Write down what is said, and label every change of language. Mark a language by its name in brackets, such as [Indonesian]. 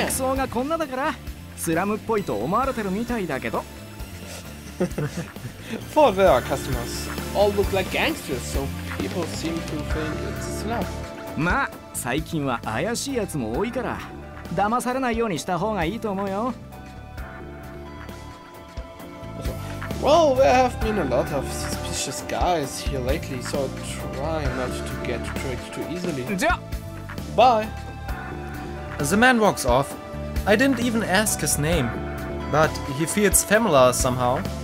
[Japanese] 客層がこんなだから、スラムっぽいと思われてるみたいだけど。 [English] For their customers, all look like gangsters, so people seem to think it's slum. [Japanese] まあ、最近は怪しいやつも多いから、騙されないようにした方がいいと思うよ。 [English] Well, there have been a lot of suspicious guys here lately, so try not to get tricked too easily. Yeah. Bye. The man walks off. I didn't even ask his name, but he feels familiar somehow.